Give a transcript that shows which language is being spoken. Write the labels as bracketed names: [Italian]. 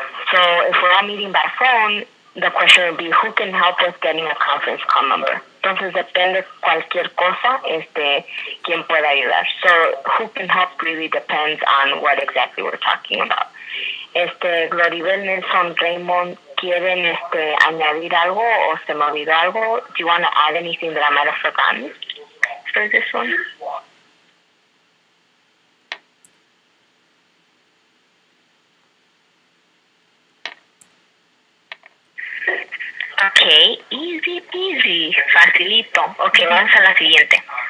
[English] So if we're meeting by phone, the question would be, who can help with getting a conference call number? [Spanish] Entonces, depende cualquier cosa, quién puede ayudar. [English] So, who can help really depends on what exactly we're talking about. [Spanish] Gloribel, Nelson, Raymond, ¿quieren añadir algo o se me olvidó algo? [English] Do you want to add anything that I might have forgotten for this one? Okay, easy peasy, [Spanish] facilito. Okay, vamos a la siguiente.